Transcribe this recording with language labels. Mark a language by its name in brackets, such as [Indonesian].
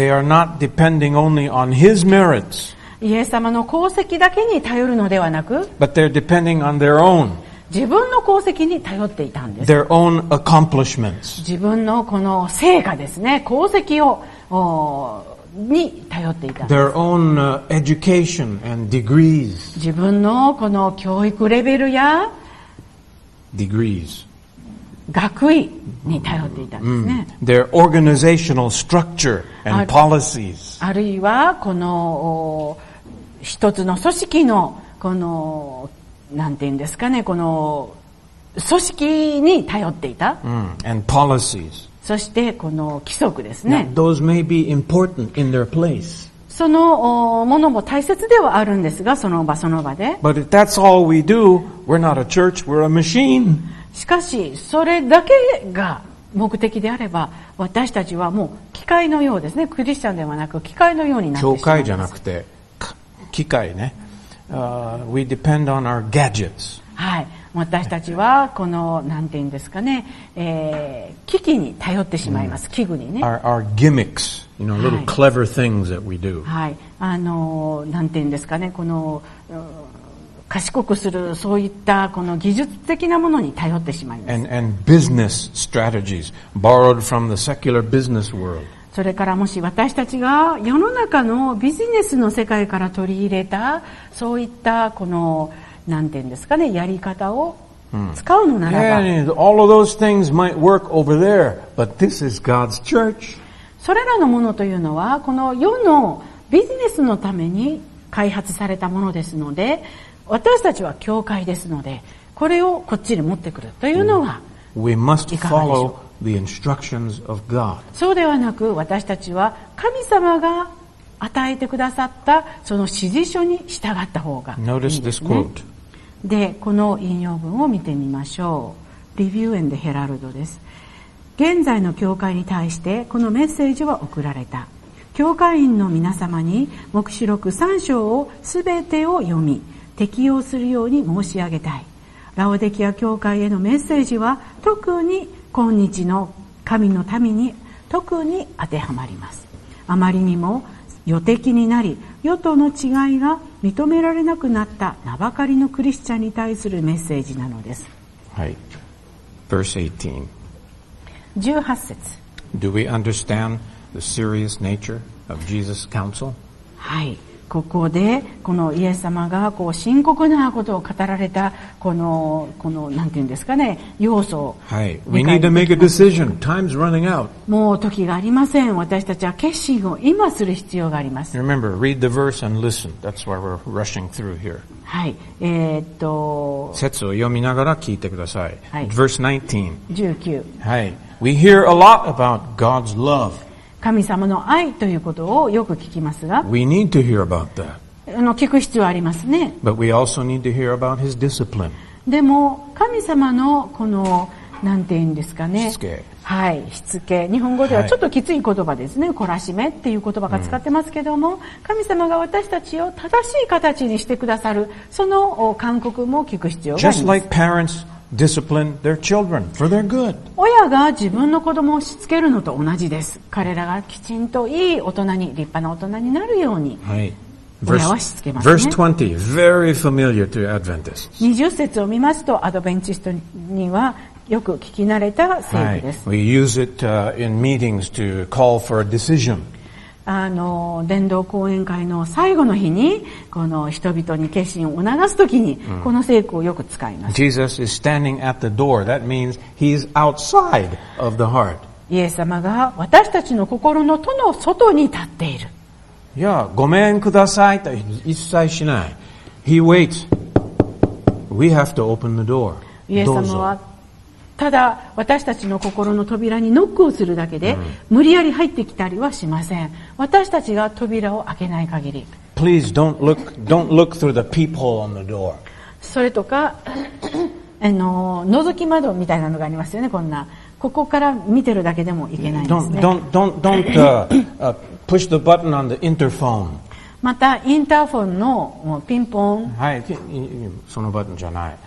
[English] They are not depending only on his merits. [Japanese] イエス様の功績だけに頼るのではなく [English] but they're depending on their own. [Japanese] 自分の功績に頼っていたんです。 [English] Their own accomplishments. [Japanese] 自分のこの成果ですね、功績をに頼っていたんです。 [English] Their own, education and degrees. [Japanese] 自分のこの教育レベルや [English] degrees. [Japanese] 学位に頼っていたんですね。 Mm-hmm. [English] Their organizational structure and policies. [Japanese] あるいはこの一つの組織のこのなんていうんですかね、この組織に頼っていた。 [English] Mm-hmm. And policies. [Japanese] そしてこの規則ですね。 [English] Now, those may be important in their place. [Japanese] そのものも大切ではあるんですが、その場その場で。 [English] But if that's all we do, we're not a church, we're a machine. [Japanese] しかし、それだけが目的であれば、私たちはもう機械のようですね。クリスチャンではなく、機械のようになってしまいます。教会じゃなくて、機械ね。 [English] We depend on our gadgets. [Japanese] はい。私たちは、この、なんて言うんですかね、機器に頼ってしまいます。器具にね。 [English] Our gimmicks, you know, little clever things that we do. [Japanese] はい。なんて言うんですかね、この、賢くする、そういった、この技術的なものに頼ってしまいます。 [English] And business strategies, borrowed from the secular business world. [Japanese] それからもし私たちが世の中のビジネスの世界から取り入れた、そういった、この、なんて言うんですかね、やり方を使うのならば。 [English] All of those things might work over there, but this is God's church. [Japanese] それらのものというのは、この世のビジネスのために開発されたものですので、私たちは教会ですので、これをこっちに持ってくるというのは、 [English] We must follow the instructions of God. [Japanese] そうではなく、私たちは神様が与えてくださったその指示書に従った方がいいですね。 [English] Notice this quote. [Japanese] で、この引用文を見てみましょう。リビュー&ヘラルドです。現在の教会に対してこのメッセージは送られた。教会員の皆様に黙示録3章を全てを読み、適用するように申し上げたい。ラオデキア教会へのメッセージは特に今日の神の民に特に当てはまります。あまりにも予的になり、与党の違いが認められなくなった名ばかりのクリスチャンに対するメッセージなのです。 [English] はい。Verse 18. [Japanese] 18節。 [English] Do we understand the serious nature of Jesus' counsel? [Japanese] はい。ここで、このイエス様がこう深刻なことを語られた、この、なんていうんですかね、要素を。はい。 [English] We need to make a decision. Time's running out. [Japanese] もう時がありません。私たちは決心を今する必要があります。 [English] Remember, read the verse and listen. That's why we're rushing through here. [Japanese] はい。節を読みながら聞いてください。 [English] はい。Verse 19. はい。 We hear a lot about God's love. [Japanese] 神様の愛ということをよく聞きますが、 [English] We need to hear about that. [Japanese] 聞く必要ありますね。 [English] But we also need to hear about his discipline. [Japanese] でも神様のこのなんて言うんですかね、しつけ、はい、しつけ、日本語ではちょっときつい言葉ですね、懲らしめっていう言葉が使ってますけども、神様が私たちを正しい形にしてくださる、その勧告も聞く必要があります。 [English] Just like parents. Discipline their children for their good. [Japanese] 親が自分の子供をしつけるのと同じです。彼らがきちんといい大人に、立派な大人になるように、はい、親はしつけますね。 [English] Verse 20, very familiar to Adventists. [Japanese] 20節を見ますと、アドベンチストにはよく聞き慣れた聖句です。 [English] はい、We use it in meetings to call for a decision. [Japanese] 伝道講演会の最後の日に、この人々に決心を促すときに、この聖句をよく使います。 [English] Jesus is standing at the door. That means he's outside of the heart. [Japanese] イエス様が私たちの心の戸の外に立っている。いや、ごめんくださいと一切しない。 [English] He waits. We have to open the door. [Japanese] イエス様はただ私たちの心の扉にノックをするだけで、無理やり入ってきたりはしません。私たちが扉を開けない限り。 [English] Please don't look through the peephole on the door. [Japanese] それとか、覗き窓みたいなのがありますよね。こんなここから見てるだけでもいけないですね。 [English] Don't push the button on the interphone. [Japanese] またインターフォンのもうピンポン。はい、そのバトンじゃない。